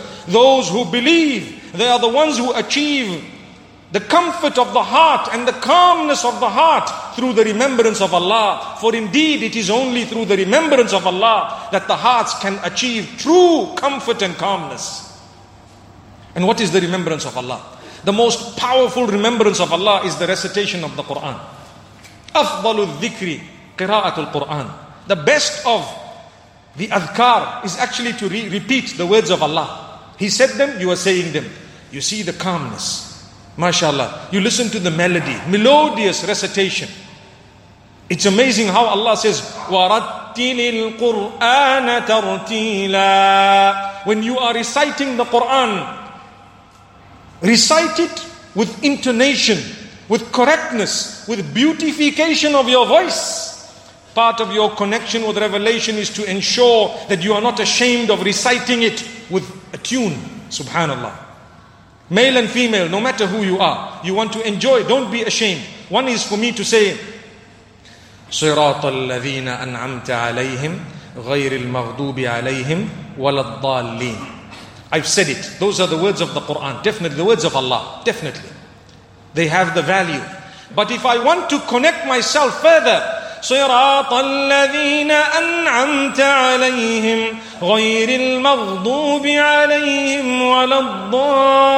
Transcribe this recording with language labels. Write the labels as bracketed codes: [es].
[en] Those who believe, they are the ones who achieve the comfort of the heart and the calmness of the heart through the remembrance of Allah. For indeed, it is only through the remembrance of Allah that the hearts can achieve true comfort and calmness. And what is the remembrance of Allah? The most powerful remembrance of Allah is the recitation of the Quran. [ar] أفضل الذكر قراءة القرآن. [en] The best of the adhkar is actually to repeat the words of Allah. He said them, you are saying them. You see the calmness. MashaAllah, you listen to the melody, melodious recitation. It's amazing how Allah says, [ar] وَرَتِّلِ الْقُرْآنَ تَرْتِيلًا. [en] When you are reciting the Quran, recite it with intonation, with correctness, with beautification of your voice. Part of your connection with revelation is to ensure that you are not ashamed of reciting it with a tune. Subhanallah. Male and female, no matter who you are, you want to enjoy, don't be ashamed. One is for me to say, [ar] صراط الذين أنعمت عليهم غير المغضوب عليهم ولا الضالين. [en] I've said it. Those are the words of the Quran. Definitely the words of Allah. Definitely. They have the value. But if I want to connect myself further, [ar] صراط الذين أنعمت عليهم غير المغضوب عليهم ولا الضالين.